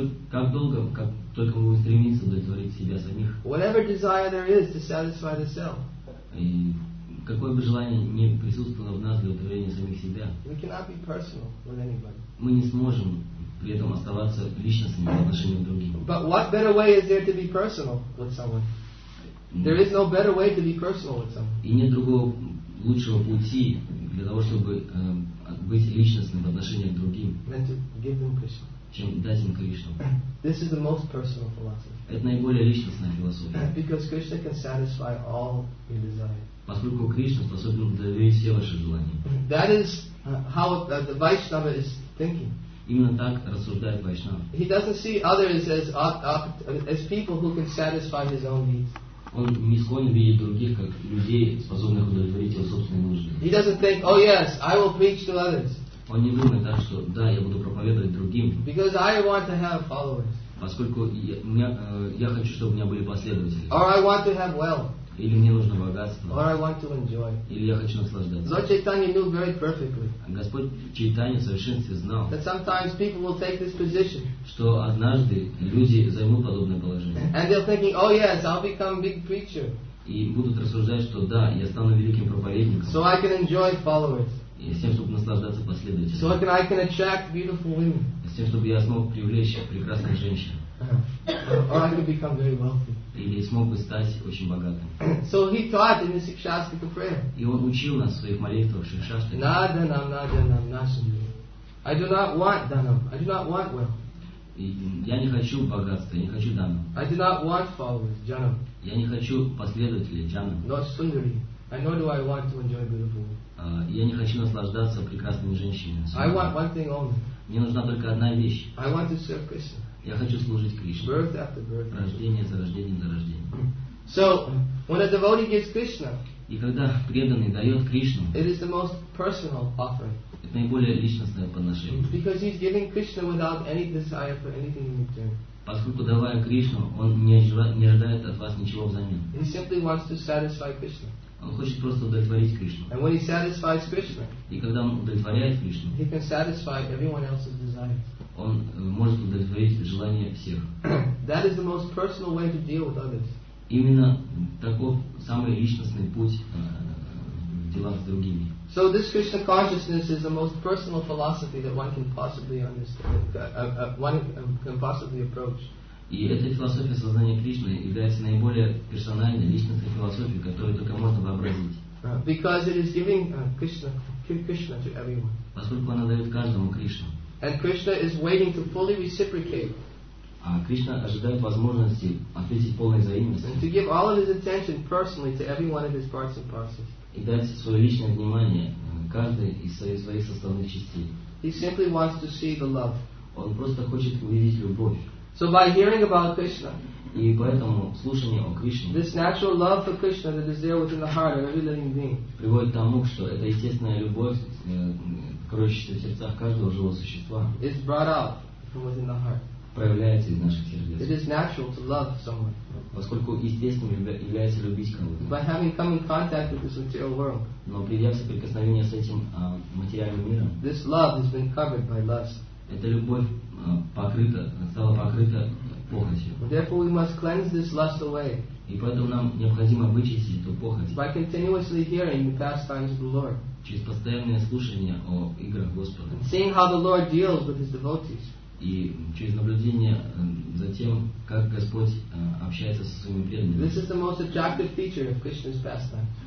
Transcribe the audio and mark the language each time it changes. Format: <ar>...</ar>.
<ru>Как только мы будем стремиться удовлетворить себя самих.</ru> <en>Whatever desire there is to satisfy the self.</en> <ru>И какое бы желание ни присутствовало в нас для удовлетворения самих себя.</ru> <en>We cannot be personal with anybody.</en> <ru>Мы не сможем при этом оставаться личностными в отношении к другим.</ru> <en>But what better way is there to be personal with someone? There is no better way to be personal with someone.</en> <ru>И нет другого лучшего пути для того, чтобы быть личностным в отношении к другим.</ru> <en>Than to give them Krishna.</en> <ru>Чем дать им Кришну.</ru> <en>This is the most personal philosophy.</en> <ru>Это наиболее личностная философия.</ru> <en>Because Krishna can satisfy all your desires.</en> <ru>Поскольку Кришна способен удовлетворить все ваши желания.</ru> <en>That is how the Vaishnava is thinking.</en> <ru>Именно так рассуждает Вайшнава.</ru> <en>He doesn't see others as people who can satisfy his own needs.</en> <ru>Он не склонен видеть других как людей, способных удовлетворить его собственные нужды.</ru> <en>He doesn't think, oh yes, I will preach to others.</en> <ru>Он не думает так, что да, я буду проповедовать другим.</ru> <en>Because I want to have followers.</en> <ru>Поскольку я хочу, чтобы у меня были последователи.</ru> <en>Or I want to have wealth.</en> <ru>Или мне нужно богатство.</ru> <en>Or I want to enjoy.</en> <ru>Или я хочу наслаждаться.</ru> <en>Lord Chaitanya knew very perfectly.</en> <ru>Господь Чайтанья в совершенстве знал.</ru> <en>That sometimes people will take this position.</en> <ru>Что однажды люди займут подобное положение.</ru> <en>And they're thinking, oh yes, I'll become a big preacher.</en> <ru>И будут рассуждать, что да, я стану великим проповедником.</ru> <en>So I can enjoy followers.</en> <ru>И с тем, чтобы наслаждаться последователями.</ru> <en>So I can attract beautiful women.</en> <ru>С тем, чтобы я смог привлечь прекрасных женщин.</ru> <en>Or I could become very wealthy.</en> <ru>Или смог бы стать очень богатым.</ru> <en>So he taught in the Shikshastika prayer.</en> <ru>И он учил нас в своих молитвах в Шикшастике.</ru> <sa>Наданам, наданам, насандри.</sa> <en>I do not want данам. I do not want wealth.</en> <ru>И я не хочу богатства, я не хочу данам.</ru> <en>I do not want followers, джанам.</en> <ru>Я не хочу последователей, джанам.</ru> <en>Not сундари. I know do I want to enjoy beautiful women.</en> <ru>Я не хочу наслаждаться прекрасными женщинами.</ru> <en>I want one thing only.</en> <ru>Мне нужна только одна вещь.</ru> <en>I want to serve Krishna.</en> <ru>Я хочу служить Кришне.</ru> <en>Birth after birth.</en> <ru>Рождение за рождением за рождением.</ru> <en>So, when a devotee gives Krishna,</en> <ru>и когда преданный дает Кришну,</ru> <en>it is the most personal offering.</en> <ru>Это наиболее личностное подношение.</ru> <en>Because he's giving Krishna without any desire for anything in return.</en> <ru>Поскольку давая Кришну, он не ожидает от вас ничего взамен.</ru> <en>He simply wants to satisfy Krishna.</en> <ru>Он хочет просто удовлетворить Кришну.</ru> <en>And when he satisfies Krishna,</en> <ru>и когда он удовлетворяет Кришну,</ru> <en>he can satisfy everyone else's desires.</en> <ru>Он может удовлетворить желания всех.</ru> <en>That is the most personal way to deal with others.</en> <ru>Именно таков самый личностный путь в делах с другими.</ru> <en>So this Krishna consciousness is the most personal philosophy that one can possibly understand, one can possibly approach.</en> <ru>И эта философия сознания Кришны является наиболее персональной личностной философией, которую только можно вообразить.</ru> <en>Because it is giving Krishna to everyone.</en> <ru>Поскольку она дает каждому Кришну.</ru> <en>And Krishna is waiting to fully reciprocate.</en> <ru>А Кришна ожидает возможности ответить полной взаимностью.</ru> <en>And to give all of his attention personally to every one of his parts and parcels.</en> <ru>И дать свое личное внимание каждой из своих составных частей.</ru> <en>He simply wants to see the love.</en> <ru>Он просто хочет увидеть любовь.</ru> <en>So by hearing about Krishna,</en> <ru>и поэтому слушание о Кришне,</ru> <en>this natural love for Krishna that is there within the heart of every living being,</en> <ru>приводит к тому, что эта естественная любовь, кроющаяся в сердцах каждого живого существа,</ru> <en>is brought out from within the heart,</en> <ru>проявляется из наших сердец.</ru> <en>It is natural to love someone,</en> <ru>поскольку естественным является любить кого-то.</ru> <en>By having come in contact with this material world,</en> <ru>но придя в соприкосновение с этим материальным миром,</ru> <en>this love has been covered by lust.</en> <ru>Эта любовь стала покрыта похотью.</ru> <en>Therefore, we must cleanse this lust away.</en> <ru>И поэтому нам необходимо вычистить эту похоть.</ru> <en>By continuously hearing the pastimes of the Lord.</en> <ru>Через постоянное слушание о играх Господа.</ru> <en>And seeing how the Lord deals with his devotees.</en> <ru>И через наблюдение за тем, как Господь общается со своими преданными.</ru> <en>This is the most attractive feature of Krishna's pastimes.</en>